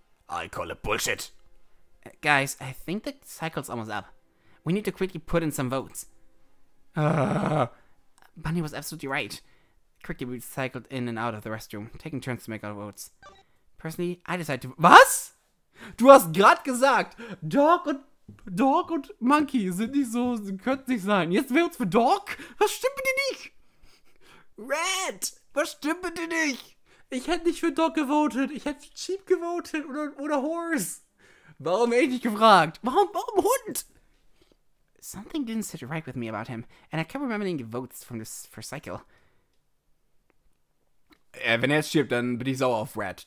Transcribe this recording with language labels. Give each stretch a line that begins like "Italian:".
English: I call it bullshit. Guys, I think the cycle's almost up. We need to quickly put in some votes. Bunny was absolutely right. Quickly we cycled in and out of the restroom, taking turns to make our votes. Personally, I decided to-
German: Was? Du hast gerade gesagt, Dog und Dog und Monkey sind nicht so, könnten nicht sein. Jetzt wählen wir uns für Dog? Was stimmt mit dir nicht? Red, was stimmt mit dir nicht? Ich hätte nicht für Dog gewotet. Ich hätte für Sheep gewotet oder Horse. Warum hätte ich nicht gefragt? Warum Hund?
English: Something didn't sit right with me about him, and I kept remembering votes from this first cycle.
German: Wenn er jetzt stirbt, dann bin ich sauer auf Red.